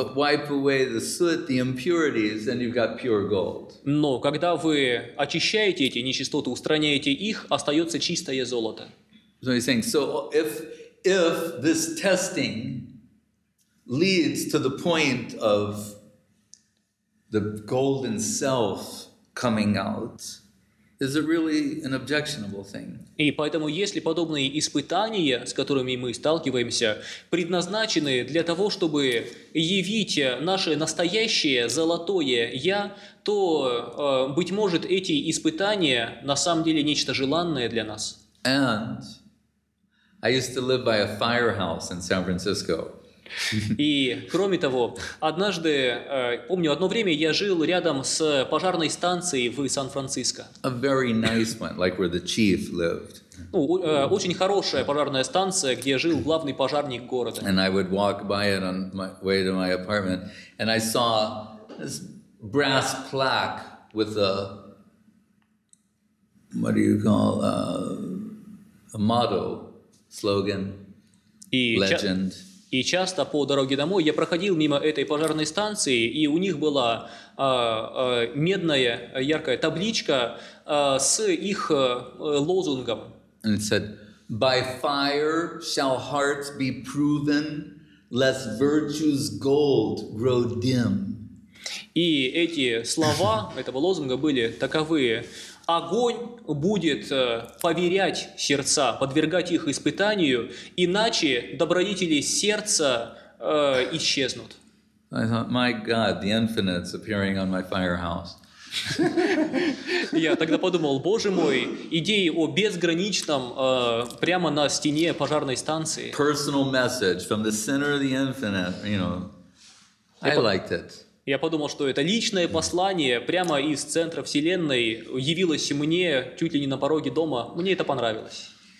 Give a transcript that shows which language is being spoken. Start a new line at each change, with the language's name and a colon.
English: But wipe away the soot, the impurities, and you've got pure gold.
Russian: Но когда вы очищаете эти нечистоты, устраняете их, остается чистое золото.
English: So he's saying, so if this testing leads to the point of the golden self coming out, is it really an objectionable thing?
Russian: И поэтому, если подобные испытания, с которыми мы сталкиваемся, предназначены для того, чтобы явить наше настоящее золотое «я», то, быть может, эти испытания на самом деле нечто желанное для нас.
English: And I used to live by a firehouse in San Francisco.
Russian: И, кроме того, однажды, помню, одно время я жил рядом с пожарной станцией в Сан-Франциско.
English: A very nice one, like where the chief lived.
Russian: Ну, очень хорошая пожарная станция, где жил главный пожарник города.
English: And I would walk by it on my way to my apartment, and I saw this brass plaque with a, what do you call, a motto, slogan, legend.
Russian: И часто по дороге домой я проходил мимо этой пожарной станции, и у них была медная яркая табличка с их лозунгом.
English: And it said, "By fire shall hearts be proven, lest virtue's gold grow dim."
Russian: И эти слова этого лозунга были таковые: огонь будет поверять сердца, подвергать их испытанию, иначе добродетели сердца исчезнут.
English: I thought, my God, the infinite's appearing on my firehouse.
Russian: Я тогда подумал, боже мой, идеи о безграничном прямо на стене пожарной станции.
English: Personal message from the center of the infinite, you know, I liked it.
Russian: Я подумал, что это личное послание прямо из центра Вселенной явилось мне чуть ли не на пороге дома. Мне это понравилось.